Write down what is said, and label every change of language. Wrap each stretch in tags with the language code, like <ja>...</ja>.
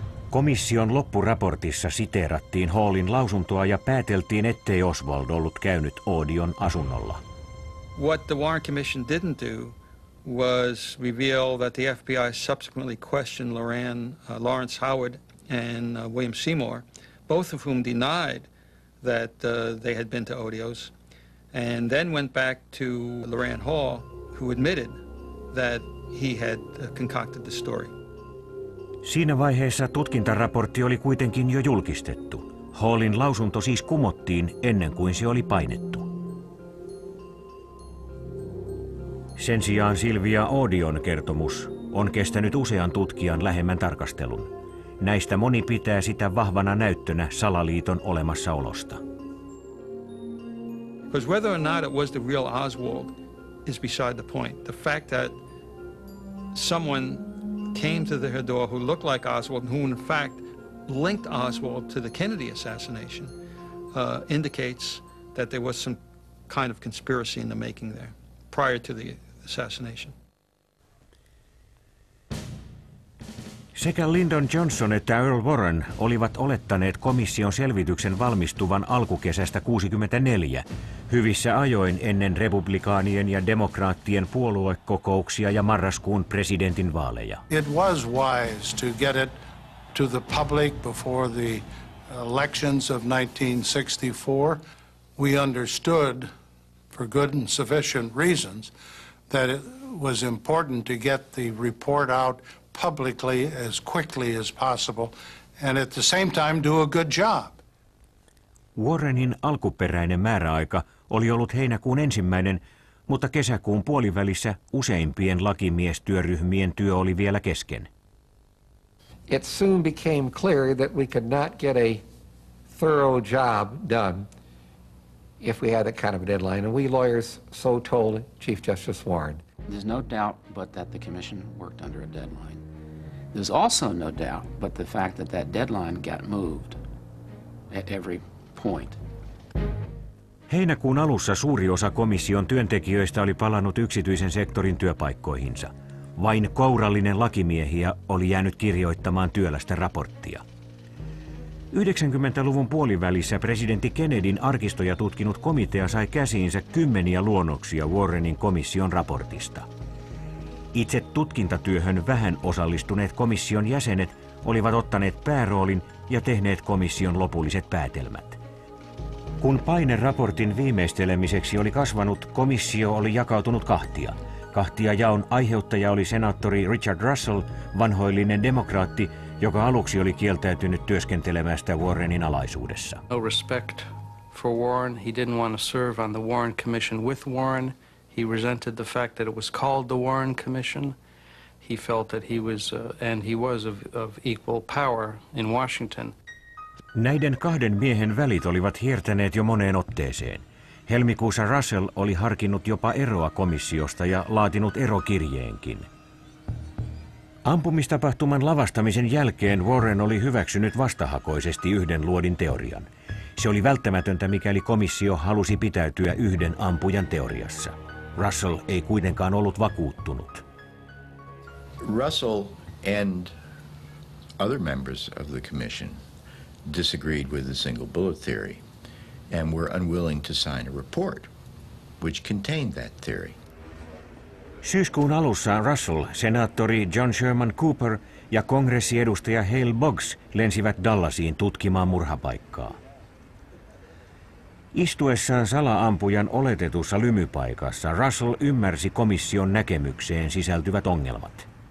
<fi>Komission loppuraportissa siteerattiin Hallin lausuntoa ja pääteltiin, ettei Oswald ollut käynyt Odion asunnolla.</fi> <en>What the Warren Commission didn't do was reveal that the FBI subsequently questioned Lawrence Howard and William Seymour, both of whom denied that they had been to Odio's, and then went back to Lauren Hall, who admitted that he had concocted the story.</en> <fi>Siinä vaiheessa tutkintaraportti oli kuitenkin jo julkistettu. Hallin lausunto siis kumottiin ennen kuin se oli painettu. Sen sijaan Silvia Odion kertomus on kestänyt usean tutkijan lähemmän tarkastelun. Näistä moni pitää sitä vahvana näyttönä salaliiton olemassaolosta.</fi> <en>Because whether or not it was the real Oswald is beside the point. The fact that someone came to the door who looked like Oswald, who in fact linked Oswald to the Kennedy assassination, indicates that there was some kind of conspiracy in the making there prior to the assassination.</en> <fi>Sekä Lyndon Johnson että Earl Warren olivat olettaneet komission selvityksen valmistuvan alkukesästä 1964, hyvissä ajoin ennen republikaanien ja demokraattien puoluekokouksia ja marraskuun presidentin vaaleja.</fi> <en>It was wise to get it to the public before the elections of 1964. We understood for good and sufficient reasons that it was important to get the report out publicly as quickly as possible and at the same time do a good job.</en> <fi>Warrenin alkuperäinen määräaika oli ollut heinäkuun ensimmäinen, mutta kesäkuun puolivälissä useimpien lakimiestyöryhmien työ oli vielä kesken.</fi> <en>It soon became clear that we could not get a thorough job done if we had that kind of a deadline, and we lawyers so told Chief Justice Warren. There's no doubt but that the commission worked under a deadline. There's also no doubt but the fact that that deadline got moved at every point.</en> <fi>Heinäkuun alussa suuri osa komission työntekijöistä oli palannut yksityisen sektorin työpaikkoihinsa. Vain kourallinen lakimiehiä oli jäänyt kirjoittamaan työlästä raporttia. 90-luvun puolivälissä presidentti Kennedyn arkistoja tutkinut komitea sai käsiinsä kymmeniä luonnoksia Warrenin komission raportista. Itse tutkintatyöhön vähän osallistuneet komission jäsenet olivat ottaneet pääroolin ja tehneet komission lopulliset päätelmät. Kun paine raportin viimeistelemiseksi oli kasvanut, komissio oli jakautunut kahtia. Kahtia jaon aiheuttaja oli senaattori Richard Russell, vanhoillinen demokraatti, joka aluksi oli kieltäytynyt työskentelemästä Warrenin alaisuudessa.</fi> <en>No respect for Warren. He didn't want to serve on the Warren Commission with Warren. He resented the fact that it was called the Warren Commission. He felt that he was and he was of equal power in Washington.</en> <fi>Näiden kahden miehen välit olivat hiertäneet jo moneen otteeseen. Helmikuussa Russell oli harkinnut jopa eroa komissiosta ja laatinut erokirjeenkin. Ampumistapahtuman lavastamisen jälkeen Warren oli hyväksynyt vastahakoisesti yhden luodin teorian. Se oli välttämätöntä, mikäli komissio halusi pitäytyä yhden ampujan teoriassa. Russell ei kuitenkaan ollut vakuuttunut.</fi> <en>Russell and other members of the commission disagreed with the single bullet theory and were unwilling to sign a report which contained that theory.</en> <fi>Syyskuun alussa Russell, senaattori John Sherman Cooper ja kongressiedustaja Hale Boggs lensivät Dallasiin tutkimaan murhapaikkaa. Istuessaan sala-ampujan oletetussa lymypaikassa Russell ymmärsi komission näkemykseen sisältyvät ongelmat.</fi>